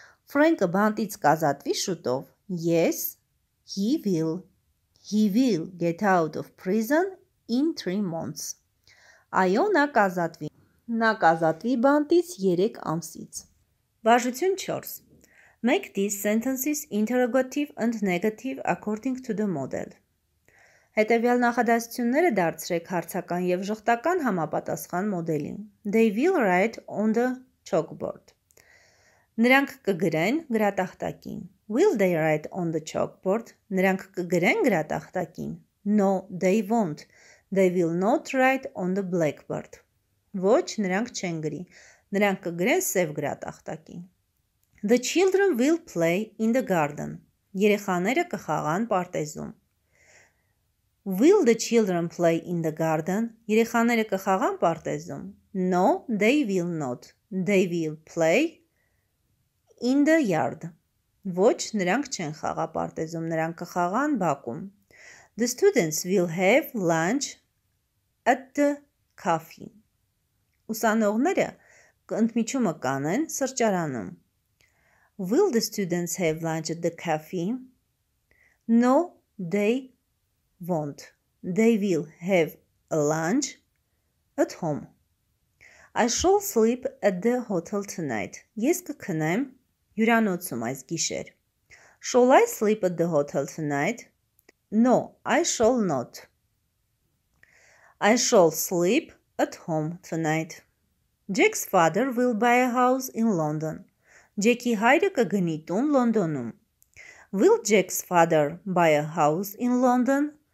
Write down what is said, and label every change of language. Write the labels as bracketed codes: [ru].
[hy] Frank-ը բանտից կազատվի շուտով։ [en] Yes, he will. He will get out of prison in 3 months. [hy] Այո, նա կազատվի։ Նա կազատվի բանտից 3 ամսից։ Բաժություն 4. [en] Make these sentences interrogative and negative according to the model. [hy] Հետևյալ նախադասությունները դարձրեք հարցական և ժխտական համապատասխան մոդելին։ [en] They will write on the chalkboard. [hy] Նրանք կգրեն գրատախտակին։ [en] Will they write on the chalkboard? [hy] Նրանք կգրեն գրատախտակին։ [en] No, they won't. They will not write on the blackboard. [hy] Ոչ, նրանք չեն գրի։ Նրանք կգրեն սև գրատախտակին։ [en] The children will play in the garden. [hy] Երեխաները կխաղան պարտեզում։ [en] Will the children play in the garden? [hy] Երեխաները կխաղան պարտեզում։ [en] No, they will not. They will play in the yard. [hy] Ոչ, նրանք չեն խաղա պարտեզում, նրանք կխաղան բակում։ [en] The students will have lunch at the cafe. [hy] Ուսանողները ընդմիջումը կանեն սրճարանում։ [en] Will the students have lunch at the cafe? No, they won't. They will have a lunch at home. I shall sleep at the hotel tonight. [hy] Ես կքնեմ հյուրանոցում այս գիշեր։ [en] Shall I sleep at the hotel tonight? No, I shall not. I shall sleep at home tonight. Jack's father will buy a house in London. [hy] Ջեքի հայրը կգնի տուն Լոնդոնում։ [en] Will Jack's father buy a house in London?